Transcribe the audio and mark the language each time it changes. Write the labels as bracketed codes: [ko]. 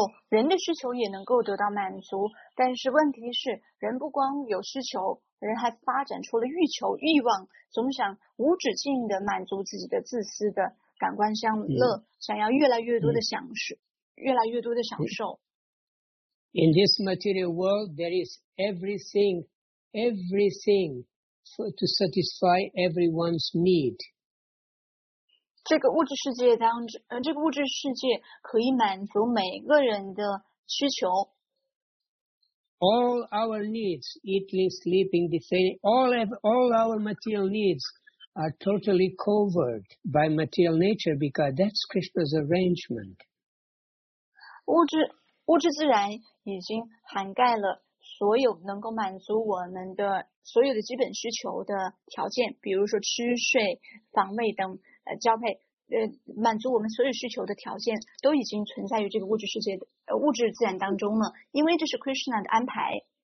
[zh] 人的需求也能够得到满足，但是问题是，人不光有需求，人还发展出了欲求、欲望，总想无止境的满足自己的自私的。感官享乐、想要越来越多的享受、越来越多的享受。 [en] In this material world, there is everything to satisfy everyone's need. [zh] 这个物质世界当中，这个物质世界可以满足每个人的需求。 [en] All our needs, eating, sleeping, defending, all our material needs. Are totally covered by material nature because that's Krishna's arrangement. [zh] 物质自然已经涵盖了所有能够满足我们的所有的基本需求的条件，比如说吃睡、房位等交配，满足我们所有需求的条件都已经存在于这个物质世界的物质自然当中了，因为这是 Krishna 的安排。